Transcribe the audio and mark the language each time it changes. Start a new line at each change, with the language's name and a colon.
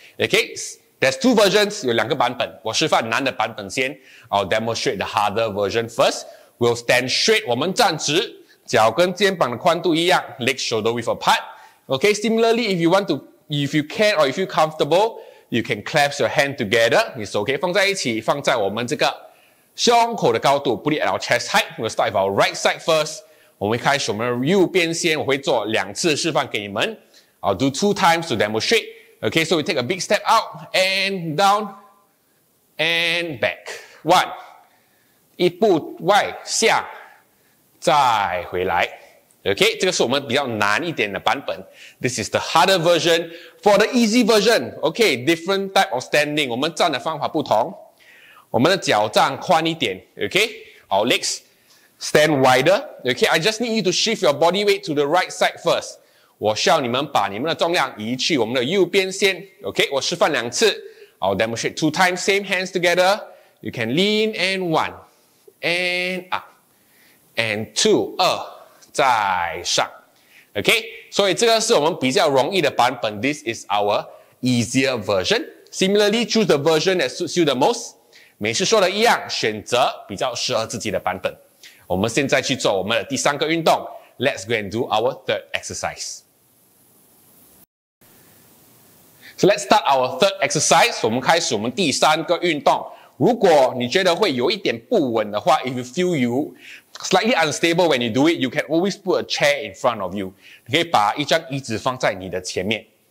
English: Okay, there's two versions.
Chinese: 有两个版本。我示范难的版本先。
English: I'll demonstrate the harder version first. We'll stand straight.
Chinese: 我们站直，脚跟肩膀的宽度一样 ，
English: leg shoulder width apart. Okay, similarly, if you want to, if you can or if you're comfortable, you can clasp your hand together. It's okay.
Chinese: 放在一起，放在我们这个。胸口的高度
English: ，put it at our chest height. We'll start with our right side first.
Chinese: 我们开始我们的右边先。我会做两次示范给你们。
English: I'll do two times to demonstrate. Okay, so we take a big step out and down and back.
Chinese: One, 一步外下，再回来。 Okay, 这个是我们比较难一点的版本。
English: This is the harder version. For the easy version, okay, different type of standing.
Chinese: 我们站的方法不同。我们的脚站宽一点 ，okay?
English: Our legs stand wider, okay? I just need you to shift your body weight to the right side first.
Chinese: 我需要你们把你们的重量移去我们的右边先 ，okay? 我示范两次
English: ，I'll demonstrate two times. Same hands together. You can lean and one, and up, and two,
Chinese: 二再上
English: ，okay?
Chinese: 所以这个是我们比较容易的版本。
English: This is our easier version. Similarly, choose the version that suits you the most.
Chinese: 每次说的一样，选择比较适合自己的版本。我们现在去做我们的第三个运动 ，
English: Let's go and do our third exercise. So let's start our third exercise.
Chinese: 我们开始我们第三个运动。如果你觉得会有一点不稳的话
English: ，if you feel you slightly unstable when you do it, you can always put a chair in front of you.
Chinese: 你可以把一张椅子放在你的前面。